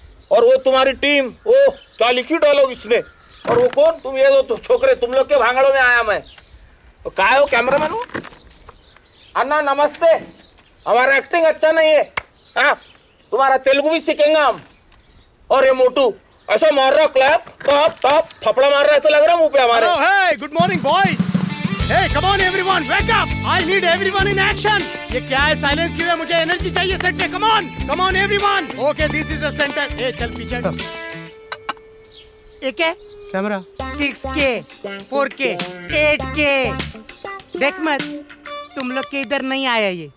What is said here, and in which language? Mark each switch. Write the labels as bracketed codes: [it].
[hi] और वो तुम्हारी टीम, वो क्या लिखी डायलॉग इसने, और वो कौन तुम, ये दो छोकरे, तुम लोग के भांगड़ों में आया मैं, और कहा है वो कैमरा मैन हो अन्ना, नमस्ते, हमारा एक्टिंग अच्छा नहीं है, हाँ तुम्हारा तेलुगु भी सीखेंगे हम, और ये मोटू ऐसा मार रहा क्लैप, टॉप टॉप थपड़ा मार रहा, ऐसा लग रहा मुंह पे हमारे। [en] Oh, hey, good morning, boys. Hey, come on everyone, wake up. I need everyone in action. [hi] ये क्या है साइलेंस की वजह, मुझे एनर्जी चाहिए सेट पे, [en] come on everyone. Okay, this is the center. Hey, [hi] चल पीछे। [en] AK? Camera? 6K, 4K, 8K. [hi] देख मत, तुम लोग के इधर नहीं आया ये।